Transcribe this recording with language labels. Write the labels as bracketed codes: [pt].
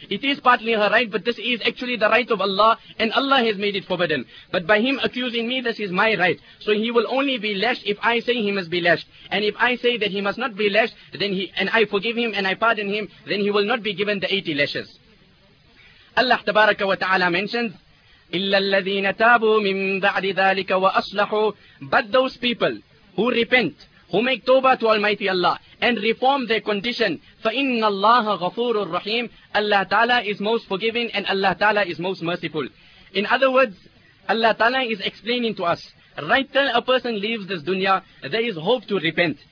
[en] It is partly her right, but this is actually the right of Allah, and Allah has made it forbidden. But by him accusing me, this is my right. So he will only be lashed if I say he must be lashed. And if I say that he must not be lashed, then I forgive him and I pardon him, then he will not be given the 80 lashes. [ar] Allah tabaraka wa ta'ala [en] mentions, [ar] إِلَّا الَّذِينَ تَابُوا مِن بَعْدِ ذَلِكَ وَأَصْلَحُوا. [en] But those people who repent, who make tawbah to Almighty Allah and reform their condition, [ar] فَإِنَّ اللَّهَ غَفُورٌ رَحِيمٌ. [en] Allah Ta'ala is most forgiving and Allah Ta'ala is most merciful. In other words, Allah Ta'ala is explaining to us, right till a person leaves this dunya, there is hope to repent.